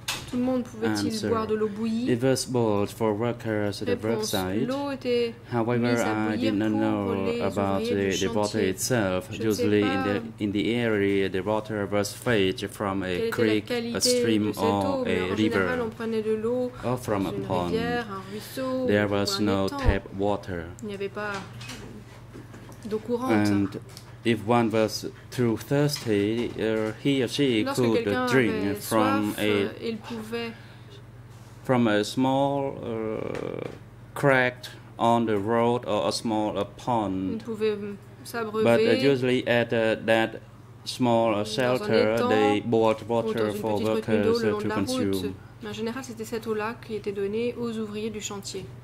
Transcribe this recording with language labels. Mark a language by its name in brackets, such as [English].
[French] Tout le monde pouvait-il boire de l'eau bouillie? [English] It was boiled for workers at the work site. However, I did not know about the water itself. Usually, in the area, the water was fetched from a creek, a stream, or a river, or from a pond. There was no tap water. [French] Il n'y avait pas d'eau courante. [English] If one was too thirsty, he or she could drink from a small crack on the road or a small pond. But usually at that small shelter, they bought water for workers to consume. [French] En général, c'était cette eau-là qui était donnée aux ouvriers du chantier.